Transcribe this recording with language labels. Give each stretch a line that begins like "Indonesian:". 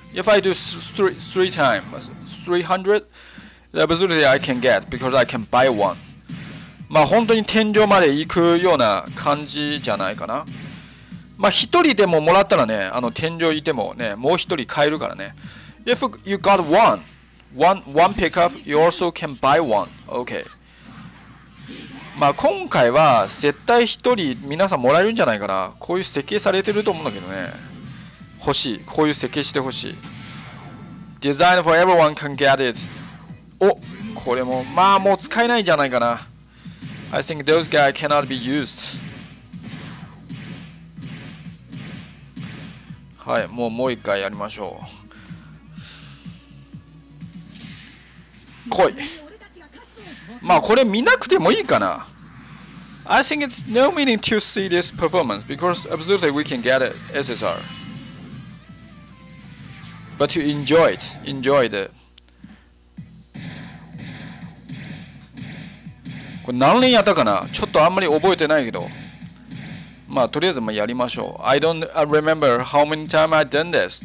English: If I do three times, 300, absolutely I can get because I can buy one.
Japanese: まあ本当に天井まで行くような感じじゃないかな。まあ一人でももらったらね、あの天井いてもね、もう一人買えるからね。
English: If you got one pickup, you also can buy one. Okay.
Japanese: まあ今回は絶対一人皆さんもらえるんじゃないかな。こういう設計されてると思うんだけどね。欲しい、こういう設計して欲しい。
English: Design for everyone can get it。
Japanese: お、これもまあもう使えないんじゃないかな。
English: I think those guys cannot be used。
Japanese: はい、もう一回やりましょう。来い。まあこれ見なくてもいいかな。
English: I think it's no meaning to see this performance because absolutely we can get it SSR. But to enjoy it, enjoy it.
Japanese: これ何年やったかな。ちょっとあんまり覚えてないけど。まあとりあえずまあやりましょう。
English: I don't remember how many time I done this.